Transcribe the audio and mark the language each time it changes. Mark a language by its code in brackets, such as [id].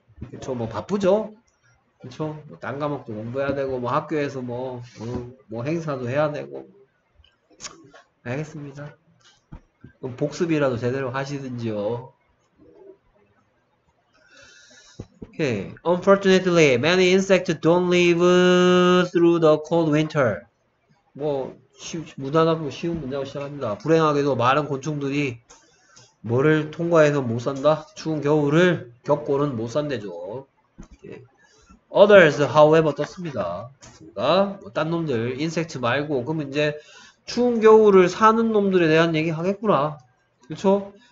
[ko] 그쵸, 뭐 바쁘죠? 그쵸? 뭐 딴 과목도 공부해야 되고, 뭐 학교에서 뭐 행사도 해야 되고. 알겠습니다. 그럼 복습이라도 제대로 하시든지요. [en] Okay. Unfortunately, many insects don't live through the cold winter. [ko] 뭐, 무난하고 쉬운 문장으로 시작합니다. 불행하게도 많은 곤충들이 뭐를 통과해서 못 산다? 추운 겨울을 겪고는 못 산대죠. [en] Okay. Others, however, [ko] 떴습니다. 그러니까 뭐 딴 놈들, 인섹트 말고, 그럼 이제 추운 겨울을 사는 놈들에 대한 얘기 하겠구나. 그쵸?